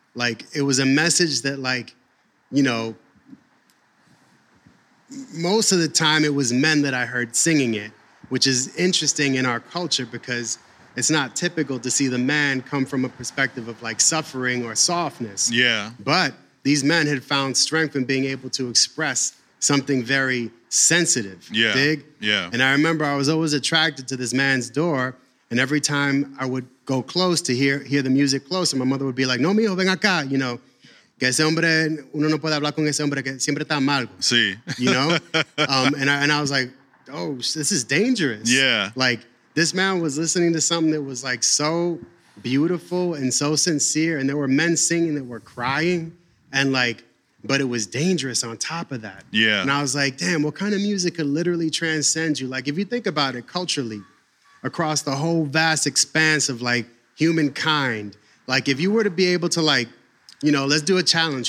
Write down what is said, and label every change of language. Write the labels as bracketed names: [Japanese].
[English] Like, it was a message that, like, you know, most of the time it was men that I heard singing it, which is interesting in our culture because it's not typical to see the man come from a perspective of, like, suffering or softness. Yeah. But these men had found strength in being able to express something very sensitive. Yeah. Dig? Yeah. And I remember I was always attracted to this man's door. And every time I would go close to hear the music closer, my mother would be like, [Spanish] no, mijo, ven acá. [English] You know, [Spanish] que ese hombre, uno no puede hablar con ese hombre que siempre está mal. Sí. [English] You know? And I was like, oh, this is dangerous. Yeah. Like, this man was listening to something that was like so beautiful and so sincere. And there were men singing that were crying. And like, but it was dangerous on top of that. Yeah. And I was like, damn, what kind of music could literally transcend you? Like, if you think about it culturally, across the whole vast expanse of, like, humankind, like, if you were to be able to, like, you know, let's do a challenge.